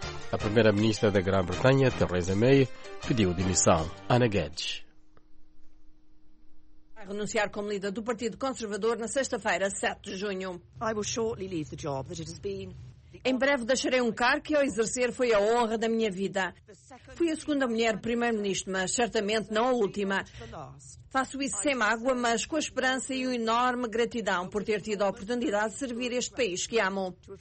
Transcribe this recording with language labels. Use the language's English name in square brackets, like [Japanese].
[Portuguese] A primeira-ministra da Grã-Bretanha, Theresa May, pediu demissão. Ana Guedes. Vai renunciar como líder do Partido Conservador na sexta-feira, 7 de junho. [English] I will shortly leave the job that it has been. [Portuguese] Em breve deixarei um cargo que ao exercer foi a honra da minha vida. Fui a segunda mulher primeiro-ministro, mas certamente não a última. Faço isso sem mágoa, mas com a esperança e uma enorme gratidão por ter tido a oportunidade de servir este país que amo.